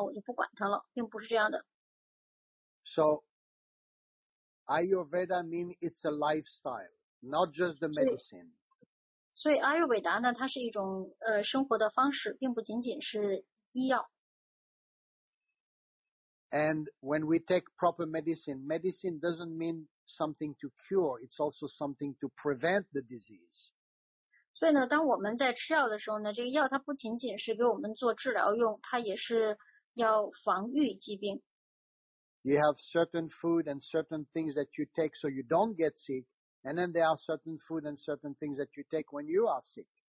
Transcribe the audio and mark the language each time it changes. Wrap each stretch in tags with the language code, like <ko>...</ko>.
<zh>它并不是说是我现在生病了，所以说呢，我就好好的治我这个病，然后等我治好了以后呢，我就不管它了，并不是这样的。So</zh> <en>Ayurveda means it's a lifestyle, not just the medicine.</en> <zh>所以阿育伟达呢，它是一种生活的方式，并不仅仅是医药。And</zh> <en>when we take proper medicine, medicine doesn't mean something to cure, it's also something to prevent the disease.</en> <zh>所以呢，当我们在吃药的时候呢，这个药它不仅仅是给我们做治疗用，它也是要防御疾病。You</zh> <en>have certain food and certain things that you take so you don't get sick, and then there are certain food and certain things that you take when you are sick.</en>